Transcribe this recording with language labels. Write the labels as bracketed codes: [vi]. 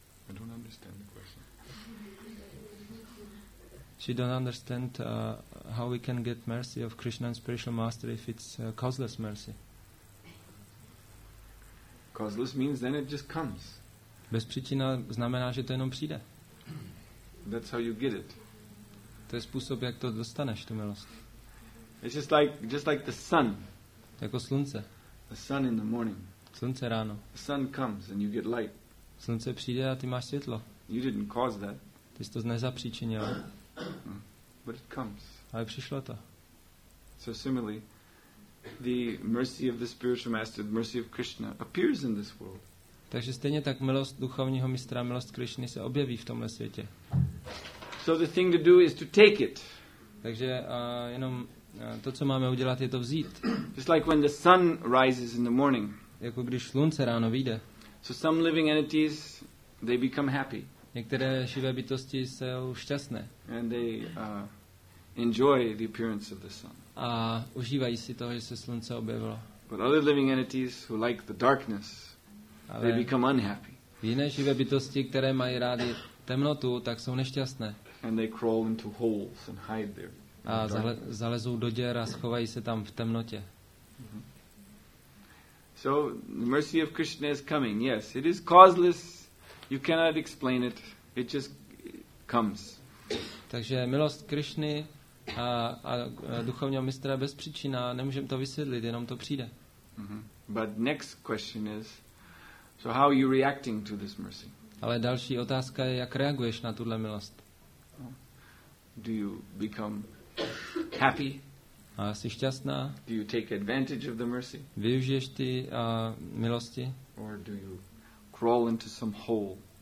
[en] I don't understand the question. She don't understand how we can get mercy of Krishna and spiritual master if it's causeless mercy. Causeless means then it just comes. [cs] Bezpříčina znamená, že to jenom přijde. [en] That's how you get it. [cs] To je způsob, jak to dostaneš, tu milost. [en] It's just like the sun. [cs] Jako slunce. [en] The sun in the morning. [cs] Slunce ráno. [en] The sun comes and you get light. [cs] Slunce přijde a ty máš světlo. [en] You didn't cause that. [cs] Ty jsi to nezapříčinil. [en] But it comes. [cs] Ale přišlo to. [en] So similarly, the mercy of the spiritual master, the mercy of Krishna, appears in this world. [cs] Takže stejně tak milost duchovního mistra, milost Krišny se objeví v tomhle světě. [en] So the thing to do is to take it. [cs] Takže jenom to, co máme udělat, je to vzít. [en] Just like when the sun rises in the morning. [cs] Jako když slunce ráno vyjde. [en] So some living entities, they become happy. [cs] Některé živé bytosti jsou šťastné. [en] And they enjoy the appearance of the sun. [cs] A užívají si toho, že se slunce objevilo. [en] But other living entities who like the darkness, [cs] ale [en] they become unhappy. [cs] Jiné živé bytosti, které mají rádi temnotu, tak jsou nešťastné. [en] And they crawl into holes and hide there. [cs] A zalezou do děr a schovají se tam v temnotě. [en] So the mercy of Krishna is coming. Yes, it is causeless. You cannot explain it. It just comes. [cs] Takže milost Krišny a duchovního mistra bez příčina, nemůžeme to vysvětlit, jenom to přijde. [en] But next question is, so how are you reacting to this mercy? [cs] Ale další otázka je, jak reaguješ na tuhle milost? [en] Do you become happy? [cs] A jsi šťastná? [en] Do you take advantage of the mercy? [cs] Využiješ ty milosti? [en] Or do you crawl into some hole?